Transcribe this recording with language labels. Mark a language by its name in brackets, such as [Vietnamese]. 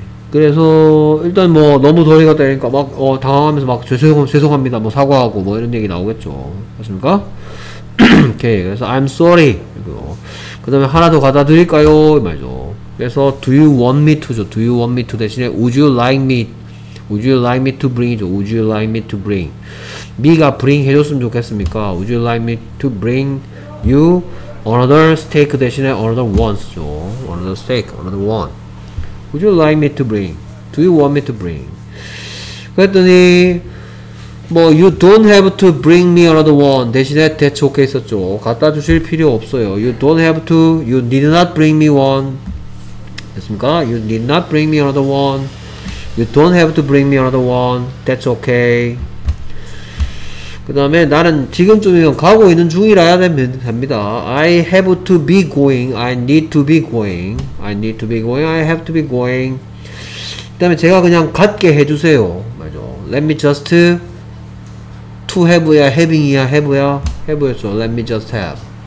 [Korean] 그래서 일단 뭐 너무 덜 익었다 그러니까 막 당황하면서 막 죄송합니다 뭐 사과하고 뭐 이런 얘기 나오겠죠. 그렇습니까? 오케이. 그래서 [English] I'm sorry. [Korean] 그리고 그 다음에 하나 더 갖다 드릴까요? 이 말이죠. 그래서 [English] do you want me to [Korean] 죠. [English] do you want me to 대신에 would you like me to bring이죠. would you like me to bring. me가 bring [Korean] 해줬으면 좋겠습니까. [English] would you like me to bring you another steak 대신에 another once죠. another steak, another one. would you like me to bring. do you want me to bring. [Korean] 그랬더니 뭐 [English] you don't have to bring me another one 대신에 that's okay 했었죠. [Korean] 갖다 주실 필요 없어요. [English] you don't have to, you need not bring me one. 됐습니까? You need not bring me another one. You don't have to bring me another one. That's okay. [Korean] 그 다음에 나는 지금쯤이면 가고 있는 중이라야 됩니다. [English] I have to be going. I need to be going. I need to be going. I have to be going. [Korean] 그 다음에 제가 그냥 갖게 해주세요. 맞아. [English] Let me just to have야, having이야, have야, have였죠. Let me just have.